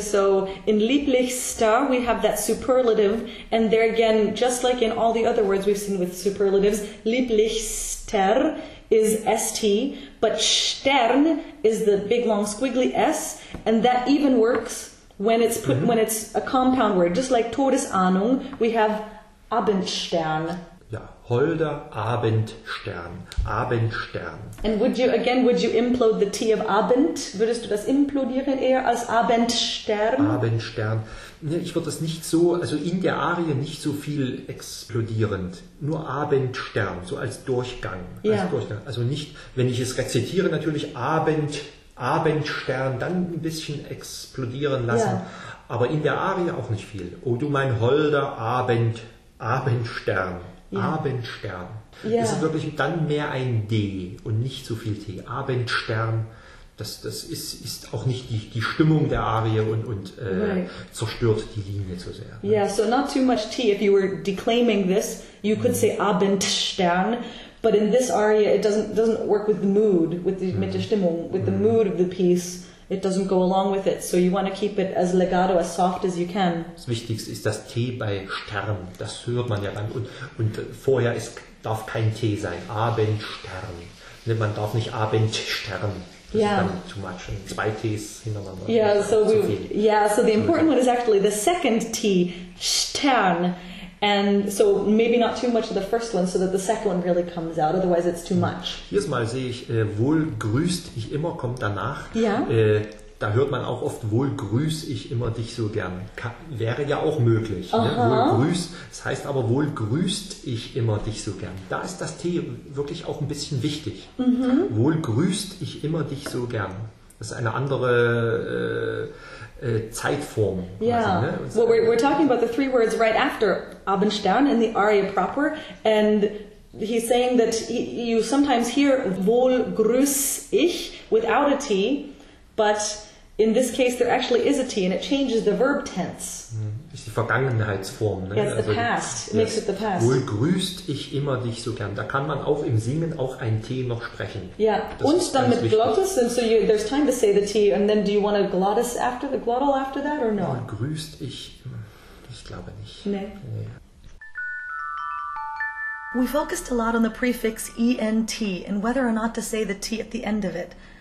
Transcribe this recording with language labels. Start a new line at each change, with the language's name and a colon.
English: So in lieblichster we have that superlative, and there again, just like in all the other words we've seen with superlatives, lieblichster is ST, but Stern is the big long squiggly S, and that even works when it's put when it's a compound word. Just like Todesahnung, we have Abendstern.
German: Ja, holder Abendstern. Abendstern.
English: And would you, again, would you implode the T of Abend?
German: Würdest du das implodieren eher als Abendstern? Abendstern. Ich würde das nicht so, also in der Arie nicht so viel explodierend. Nur Abendstern, so als Durchgang. Ja. Als Durchgang. Also nicht, wenn ich es rezitiere, natürlich Abendstern, dann ein bisschen explodieren lassen. Ja. Aber in der Arie auch nicht viel. Oh, du mein holder Abendstern. Ja. Abendstern. Ja. Das ist wirklich dann mehr ein D und nicht so viel T. Abendstern, das ist auch nicht die Stimmung der Arie und zerstört die Linie zu sehr.
English: Ne? Yeah, so not too much T. If you were declaiming this, you could say Abendstern. But in this aria, it doesn't work with the mood,
German: mit der Stimmung,
English: with the mood of the piece. It doesn't go along with it, so you want to keep it as legato, as soft as you can.
German: Das Wichtigste ist das T bei Stern. Das hört man ja dann. Und vorher darf kein T sein. Abendstern. Man darf nicht Abendstern. Das yeah. ist dann
English: too much.
German: Und zwei Ts hintereinander.
English: Yeah, so
German: zu viel.
English: Yeah, so the important one is actually the second T, Stern. And so maybe not too much of the first one, so that the second one really comes out. Otherwise, it's too much.
German: Hier mal sehe ich wohl grüßt ich immer kommt danach. Ja. Da hört man auch oft wohl grüß ich immer dich so gern. Wäre ja auch möglich. Aha. Ne? Wohl grüß. Das heißt aber wohl grüßt ich immer dich so gern. Da ist das T wirklich auch ein bisschen wichtig. Mhm. Wohl grüßt ich immer dich so gern. Das ist eine andere. Zeitform.
English: Yeah.
German: Quasi, ne?
English: Well, we're talking about the three words right after Abendstern in the aria proper, and he's saying that you sometimes hear wohl grüß ich without a T, but in this case there actually is a T and it changes the verb tense.
German: Ist die Vergangenheitsform. Ne?
English: Yeah, it's the also past. It makes it the past.
German: Wohl grüßt ich immer dich so gern. Da kann man auch im Singen auch ein T noch sprechen. Yeah. Und dann mit Glottis.
English: And so there's time to say the T. And then do you want a glottis after, the glottal after that or no?
German: Wohl grüßt ich. Ich glaube nicht. Nee. Nee.
English: We focused a lot on the prefix ENT and whether or not to say the T at the end of it.